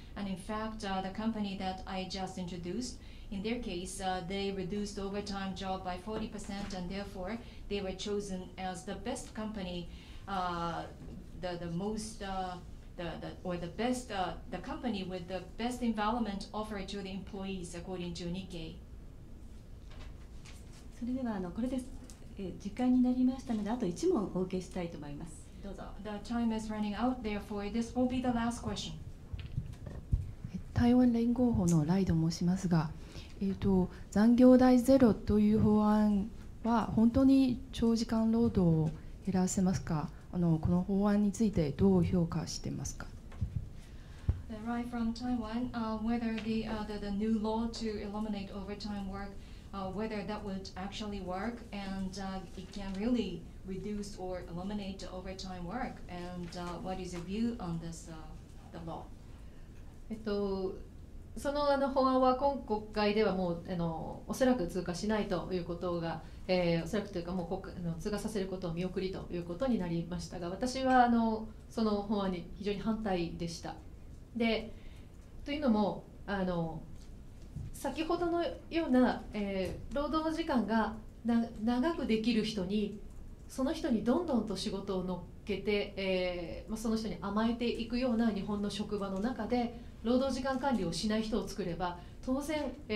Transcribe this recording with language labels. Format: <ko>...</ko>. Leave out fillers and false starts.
<en>And in fact, the company that I just introduced, in their case, they reduced overtime job by 40% and therefore they were chosen as the best company, the company with the best environment offered to the employees according to Nikkei.</en> <ja>それではこれで時間になりましたのであと1問お受けしたいと思います。どうぞ。</ja> <en>The time is running out, therefore this will be the last question.</en> <ja>台湾連合法のライと申しますが、残業代ゼロという法案は本当に長時間労働を減らせますか？この法案についてどう評価していますか？</ja> <en>Right from Taiwan, whether the new law to eliminate overtime work, whether that would actually work and it can really reduce or eliminate overtime work, and what is your view on this the law?</en> <ja>その法案は今国会ではもうおそらく通過しないということが、おそらくというかもう通過させることを見送りということになりましたが、私はその法案に非常に反対でした。でというのも先ほどのような、労働時間が長くできる人にその人にどんどんと仕事を乗っけて、その人に甘えていくような日本の職場の中で労働時間管理をしない人を作れば当然、</ja>